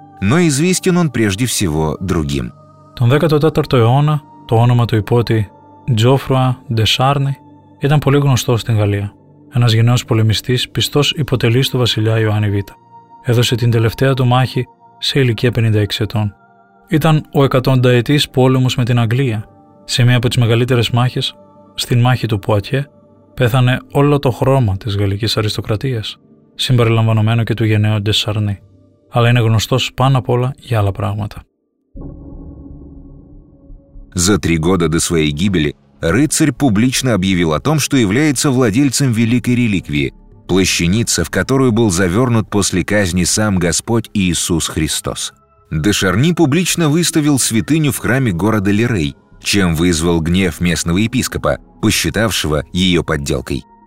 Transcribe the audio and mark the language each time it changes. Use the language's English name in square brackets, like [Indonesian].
[Russian] Но известен он прежде всего другим. [Greek] Τον 14ο αιώνα το όνομα του υπότη Τζόφρουα Ντε Σάρνι ήταν πολύ γνωστό στην Γαλλία. Ένας γενναίος πολεμιστής, πιστός υποτελής του βασιλιά Ιωάννη Β. Έδωσε την τελευταία του μάχη σε ηλικία 56 ετών. Ήταν ο εκατονταετής πόλεμος με την Αγγλία. Σε μία από τις μεγαλύτερες μάχες, στην μάχη του Πουατιέ, πέθανε όλο το χρώμα της γαλλικής αριστοκρατίας, συμπεριλαμβανομένο και του γενναίου Ντε Σάρνι. Αλλά είναι γνωστός πάνω απ' όλα για άλλα πράγματα. [Russian] За три года до своей гибели рыцарь публично объявил о том, что является владельцем великой реликвии – плащаница, в которую был завернут после казни сам Господь Иисус Христос. Де Шарни публично выставил святыню в храме города Лирей, чем вызвал гнев местного епископа, посчитавшего ее подделкой.